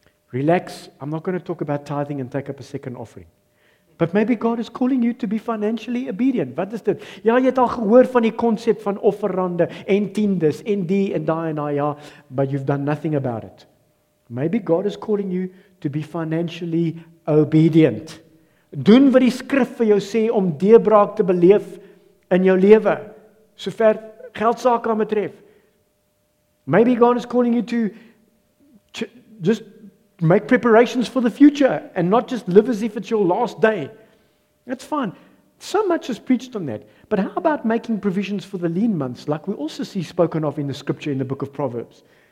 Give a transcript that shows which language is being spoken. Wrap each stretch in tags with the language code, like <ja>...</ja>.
<en>Relax, I'm not going to talk about tithing and take up a second offering. But maybe God is calling you to be financially obedient.</en> <af>Wat is dit? Ja, jy het al gehoor van die concept van offerande en tiendes en die en die en die, ja,</af> <en>but you've done nothing about it. Maybe God is calling you to be financially obedient.</en> <af>Doen wat die skrif vir jou sê om deurbraak te beleef in jou lewe, sover geldsaak aan betref.</af> <en>Maybe God is calling you to just make preparations for the future and not just live as if it's your last day. That's fine. So much is preached on that. But how about making provisions for the lean months, like we also see spoken of in the scripture in the book of Proverbs?</en>